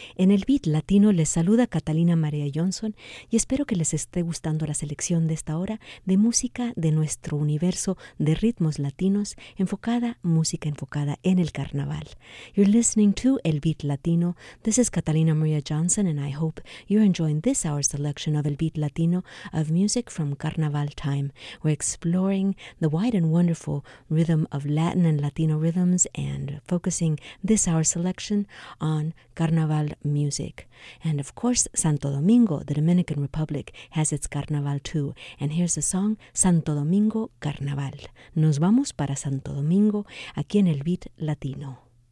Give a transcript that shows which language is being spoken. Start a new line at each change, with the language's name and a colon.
Spanish: En el Beat Latino les saluda Catalina María Johnson y espero que les esté gustando la selección de esta hora de música de nuestro universo de ritmos latinos enfocada, música enfocada en el carnaval.
English: You're listening to El Beat Latino. This is Catalina María Johnson and I hope you're enjoying this hour's selection of El Beat Latino of music from Carnaval Time. We're exploring the wide and wonderful rhythm of Latin and Latino rhythms and focus this hour selection on Carnaval music. And of course, Santo Domingo, the Dominican Republic, has its Carnaval too. And here's the song, Santo Domingo Carnaval.
Spanish: Nos vamos para Santo Domingo, aquí en el Beat Latino.